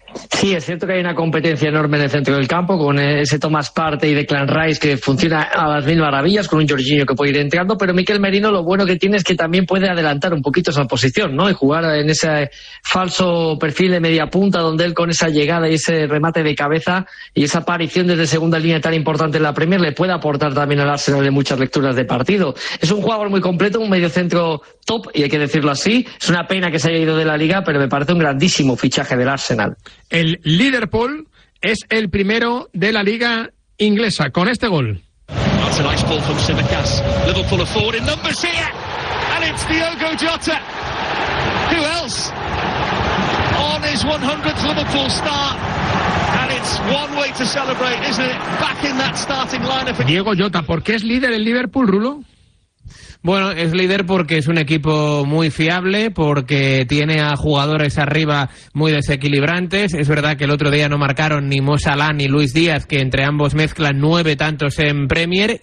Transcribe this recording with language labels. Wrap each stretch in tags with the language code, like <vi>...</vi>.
<es>Sí, es cierto que hay una competencia enorme en el centro del campo, con ese Thomas Partey de Clan Rice que funciona a las mil maravillas, con un Jorginho que puede ir entrando, pero Mikel Merino lo bueno que tiene es que también puede adelantar un poquito esa posición, ¿no? Y jugar en ese falso perfil de media punta, donde él, con esa llegada y ese remate de cabeza y esa aparición desde segunda línea tan importante en la Premier, le puede aportar también al Arsenal en muchas lecturas de partido. Es un jugador muy completo, un medio centro top, y hay que decirlo así. Es una pena que se haya ido de la Liga, pero me parece un grandísimo fichaje del Arsenal. El Liverpool es el primero de la Liga inglesa con este gol.</es> <en>That's a nice ball from Simicas. Liverpool are forward in numbers here, and it's Diogo Jota. Who else? On his 100th Liverpool start. And it's one way to celebrate, isn't it? Back in that starting lineup.</en> <es>Diogo Jota, ¿por qué es líder el Liverpool, Rulo? Bueno, es líder porque es un equipo muy fiable, porque tiene a jugadores arriba muy desequilibrantes. Es verdad que el otro día no marcaron ni Mo Salah ni Luis Díaz, que entre ambos mezclan 9 tantos en Premier.</es>